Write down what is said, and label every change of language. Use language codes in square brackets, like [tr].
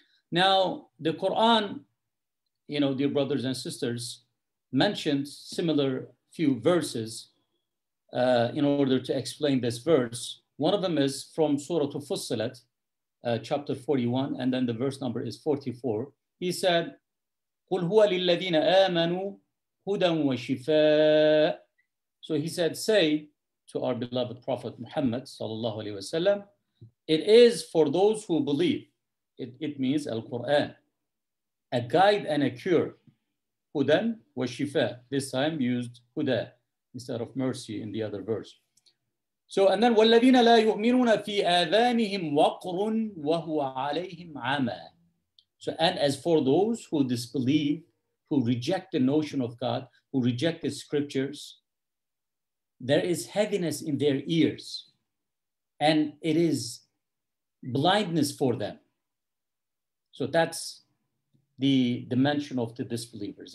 [en] Now, the Quran, you know, dear brothers and sisters, mentioned similar few verses in order to explain this verse. One of them is from Surah Fussilat, chapter 41, and then the verse number is 44. He said, [ar] قُلْ هُوَ لِلَّذِينَ آمَنُوا هُدًى وَشِفَاءً. [en] So he said, say to our beloved Prophet Muhammad sallallahu alaihi wasallam, it is for those who believe, it means Al-Quran, a guide and a cure. Hudan wa shifa, this time used huda instead of mercy in the other verse. So, and then, [ar] وَالَّذِينَ لَا يُؤْمِنُونَ فِي آذَانِهِمْ وَقْرٌ وَهُوَ عَلَيْهِمْ عَمًى. [en] So, and as for those who disbelieve, who reject the notion of God, who reject the scriptures, there is heaviness in their ears, and it is blindness for them. So that's the dimension of the disbelievers.